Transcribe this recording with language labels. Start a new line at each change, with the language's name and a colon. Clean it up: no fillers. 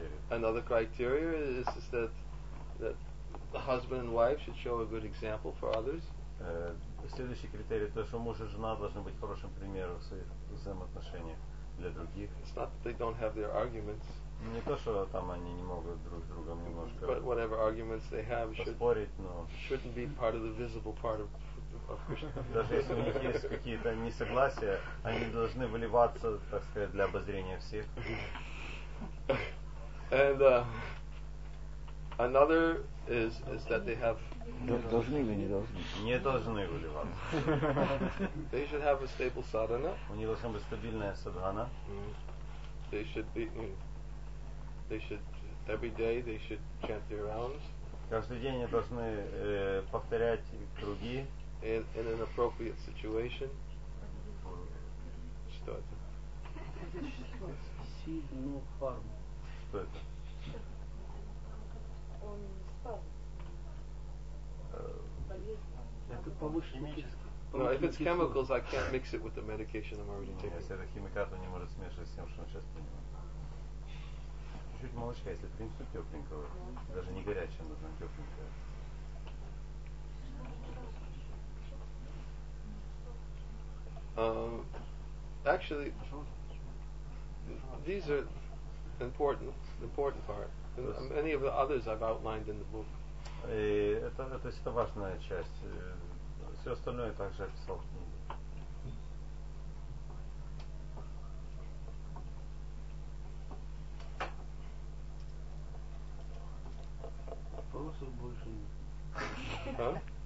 English: Another criteria is that the husband and wife should show a good example for others.
Russian: Следующий критерий то, что муж и жена должны быть хорошим примером в своих взаимоотношениях для других.
English: It's not that they don't have their arguments.
Russian: Не то, что там они не могут друг с другом немножко.
English: But whatever arguments they have shouldn't be part of the visible part of.
Russian: Даже если у них есть какие-то несогласия, они должны выливаться, так сказать, для обозрения всех.
English: And another is that they have.
Russian: Должны или не должны? Не должны выливаться.
English: They should have a stable sadhana.
Russian: У них должна быть стабильная садхана.
English: They should every day they should chant their rounds.
Russian: Каждый день они должны повторять круги.
English: In an appropriate situation.
Russian: Что это? Сильно фарм. Что это? Он спал. Это повышенный
English: No, if it's chemicals, I can't mix it with the medication I'm already taking.
Russian: Если это химикат, он не может смешивать с тем, что он сейчас принимает. Чуть-чуть молочка, если в принципе тепленького, даже не горячее, нужно тепленькое.
English: Actually, these are important part. Many of the others I've outlined in the book.
Russian: Это важная часть. Все остальное также описал в книге. Вопросов больше нет.